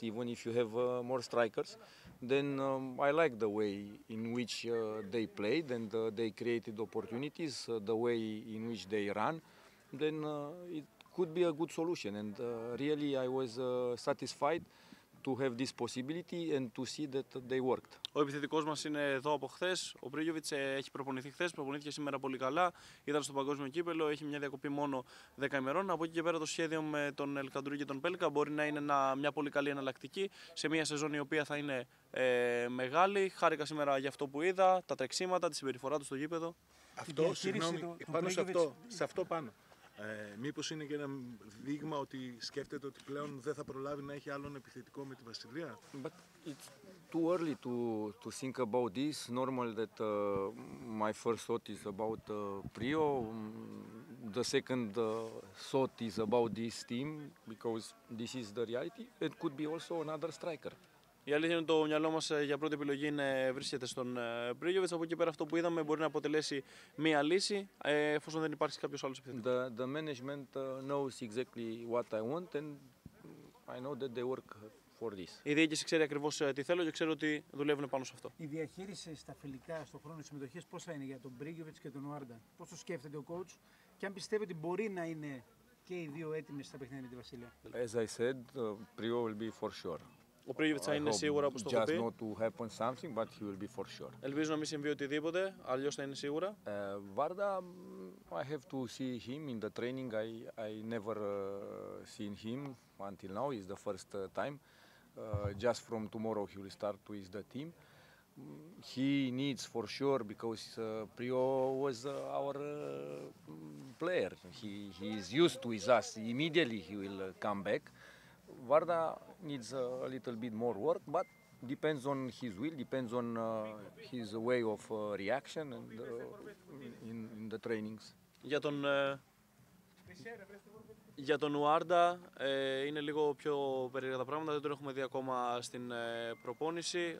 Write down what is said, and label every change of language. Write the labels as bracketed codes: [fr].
[en] Even if you have more strikers, then I like the way in which they played and they created opportunities. The way in which they run, then it could be a good solution. And really, I was satisfied to have this possibility and to see that they worked. [el] Ο επιθετικός μας είναι εδώ από χθες. Ο Πρίγιοβιτς έχει προπονηθεί χθες, προπονήθηκε σήμερα πολύ καλά. Ήταν στο παγκόσμιο κύπελο, έχει μια διακοπή μόνο 10 ημερών. Από εκεί και πέρα το σχέδιο με τον Ελκαντρού και τον Πέλκα μπορεί να είναι μια πολύ καλή εναλλακτική σε μια σεζόν η οποία θα είναι μεγάλη. Χάρηκα σήμερα για αυτό που είδα, τα τρεξίματα, τη συμπεριφορά του στο γήπεδο. Αυτό, συγγνώμη, πάνω σε αυτό πάνω. Μήπως είναι και ένα δείγμα ότι σκέφτεται ότι πλέον δεν θα προλάβει να έχει άλλον επιθετικό με τη Βασιλεία. [en] But it's too early to think about this. Normal that my first thought is about Prio. The second thought is about this team because this is the reality. It could be also another striker. [el] Η αλήθεια είναι ότι το μυαλό μας για πρώτη επιλογή βρίσκεται στον Πρίγιοβιτς. Από εκεί πέρα, αυτό που είδαμε μπορεί να αποτελέσει μία λύση, εφόσον δεν υπάρχει κάποιος άλλος επιθετικός. [en] The management knows exactly what I want and I know that they work for this. [el] Η διοίκηση ξέρει ακριβώς τι θέλω και ξέρω ότι δουλεύουν πάνω σε αυτό. Η διαχείριση στα φιλικά, στον χρόνο συμμετοχής, πώς θα είναι για τον Πρίγιοβιτς και τον Άρντα, πώς το σκέφτεται ο coach και αν πιστεύει ότι μπορεί να είναι και οι δύο έτοιμοι στα παιχνίδια με τη Βασιλεία. [en] As I said, Prio will be for sure. [el] Ο Πρίγιοβιτς θα είναι σίγουρα, όπως το έχω πει. [en] Not to happen something, but he will be for sure. [el] Ελπίζω να μην συμβεί οτιδήποτε, αλλιώς θα είναι σίγουρα. [en] Βάρντα, I have to see him in the training. I never seen him until now. It's the first time. Just from tomorrow he will start with the team. He needs for sure because Prio was our player. He is used to us. Immediately he will come back. Varda needs a little bit more work, but depends on his will, depends on his way of reaction and in the trainings. [el] Για τον Άρντα είναι λίγο πιο περίεργα τα πράγματα, δεν τον έχουμε δει ακόμα στην προπόνηση.